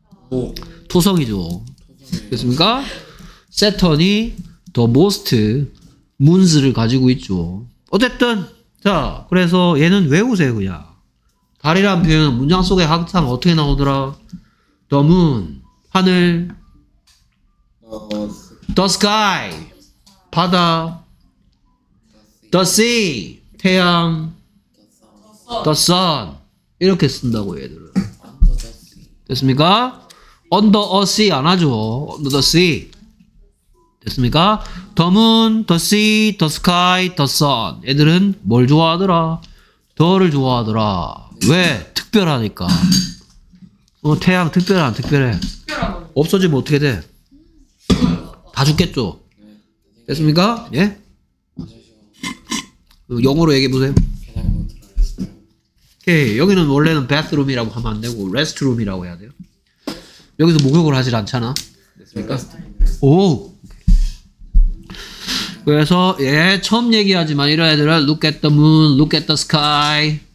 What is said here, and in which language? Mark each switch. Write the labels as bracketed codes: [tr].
[ko] 오. 토성이죠. 됐습니까? 세턴이 더 모스트 문즈를 가지고 있죠. 어쨌든 자, 그래서 얘는 외우세요. 그냥 달이란 표현은 문장 속에 항상 어떻게 나오더라? [en] The moon, 하늘, the sky, 바다, the sea, 태양, the sun, [ko] 이렇게 쓴다고 얘들은. 됐습니까? [en] Under a sea [ko] 안 하죠. [en] Under the sea. [ko] 됐습니까? [en] The moon, the sea, the sky, the sun. [ko] 애들은 뭘 좋아하더라? 더를 좋아하더라. 왜? 특별하니까. 어, 태양 특별해, 안 특별해? 특별하고. 없어지면 어떻게 돼? 다 죽겠죠? 됐습니까? 예? 영어로 얘기해보세요. 오케이. 여기는 원래는 bathroom이라고 하면 안 되고, restroom이라고 해야 돼요. 여기서 목욕을 하질 않잖아. 됐습니까? 오! 그래서 예, 처음 얘기하지만 이런 애들은 [en] look at the moon, look at the sky.